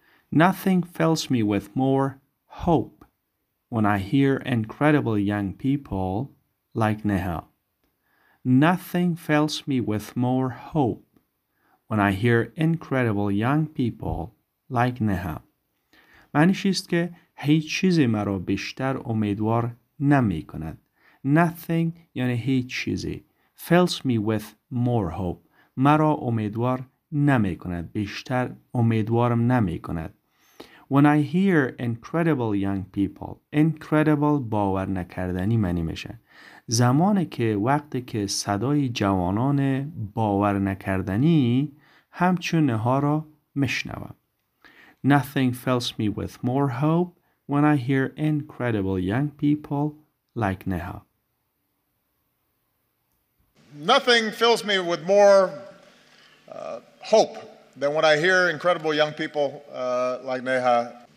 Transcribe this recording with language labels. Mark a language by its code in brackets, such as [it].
[en] Nothing fills me with more hope when I hear incredible young people like Neha. Nothing fills me with more hope when I hear incredible young people like Neha. [fa] معنیش است که هیچ چیزی مرا بیشتر امیدوار نمی کند. [en] Nothing [fa] یعنی هیچ چیزی. [en] Fills me with more hope. [fa] مرا امیدوار نمی کند. بیشتر امیدوارم نمی کند. [en] When I hear incredible young people, incredible [fa] باور نکردنی معنی میشه. زمانی که وقتی که صدای جوانان باور نکردنی همچون نها را میشنوم. [en] Nothing fills me with more hope when I hear incredible young people like Neha. Nothing fills me with more hope than when I hear incredible young people like Neha.